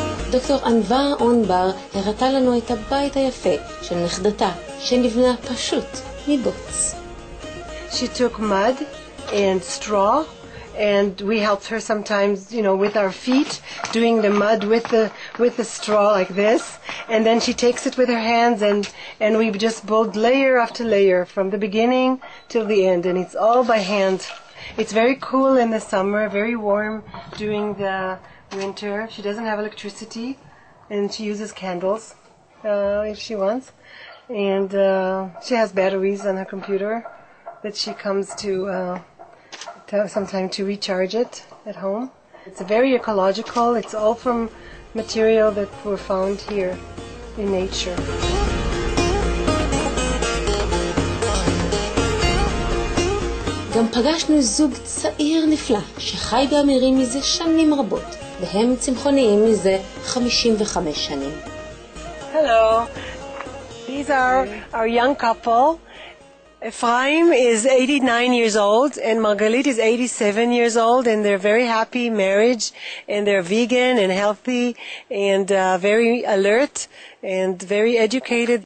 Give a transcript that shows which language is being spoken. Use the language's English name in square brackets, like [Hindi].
[Hebrew] דוקטור ענווה אונבר הראתה לנו את הבית היפה של נכדתה, שנבנה פשוט מבוץ. [English] She took mud and straw, and we helped her sometimes, you know, with our feet, doing the mud with the straw like this, and then she takes it with her hands, and we just build layer after layer from the beginning till the end, and it's all by hand. It's very cool in the summer, very warm during the winter. She doesn't have electricity, and she uses candles if she wants, and she has batteries on her computer that she comes to have some time to recharge it at home. It's very ecological. It's all from material that were found here in nature. [Hebrew] גם פגשנו זוג צעיר נפלא שחי באמירים מזה שנים רבות, והם צמחוניים מזה 55 שנים. [English] Hello. These are our young couple. Ephraim is 89 years old and Margalit is 87 years old, and they're very happy marriage, and they're vegan and healthy and very alert and very educated.